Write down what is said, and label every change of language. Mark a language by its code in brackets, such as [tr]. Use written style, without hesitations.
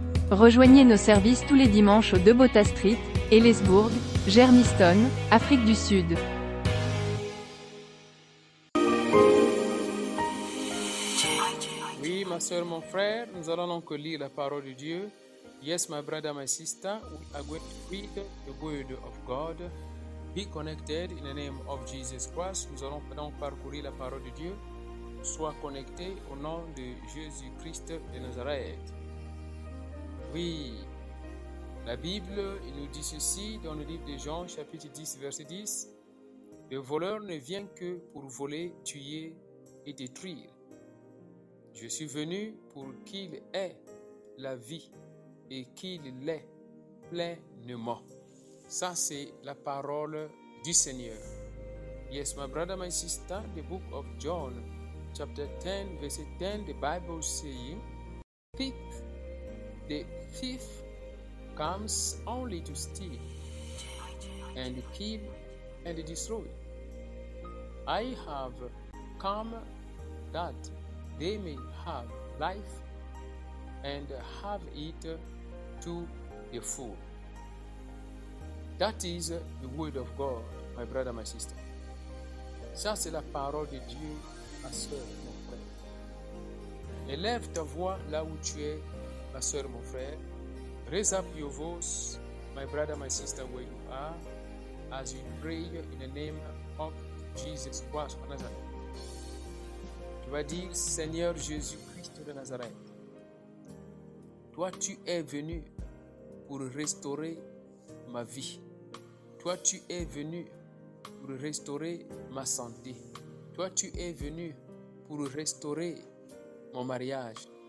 [fr] Rejoignez nos services tous les dimanches au 2 Botha Street, Ellisburg, Germiston, Afrique du Sud. Oui, ma sœur, mon frère, nous allons donc lire la parole de Dieu. [en] Yes, my brother, my sister, we are going to read the word of God. Be connected in the name of Jesus Christ. [fr] Nous allons donc parcourir la parole de Dieu. Sois connecté au nom de Jésus-Christ de Nazareth. Oui, la Bible nous dit ceci dans le livre de Jean, chapitre 10, verset 10. Le voleur ne vient que pour voler, tuer et détruire. Je suis venu pour qu'il ait la vie. Et qu'il l'est pleinement. Ça, c'est la parole du Seigneur. [en] Yes, my brother, my sister, the book of John, chapter 10, verse 10, the Bible says, the thief comes only to steal and kill and destroy. I have come that they may have life and have it to the full. That is the word of God, my brother, my sister. [fr] Ça, c'est la parole de Dieu, ma soeur, mon frère. Élève ta voix là où tu es, ma soeur, mon frère. [en] Raise up your voice, my brother, my sister, where you are, as you pray in the name of Jesus Christ of Nazareth. [fr] Tu vas dire, Seigneur Jésus-Christ de Nazareth, toi, tu es venu pour restaurer ma vie. Toi, tu es venu pour restaurer ma santé. Toi, tu es venu pour restaurer mon mariage.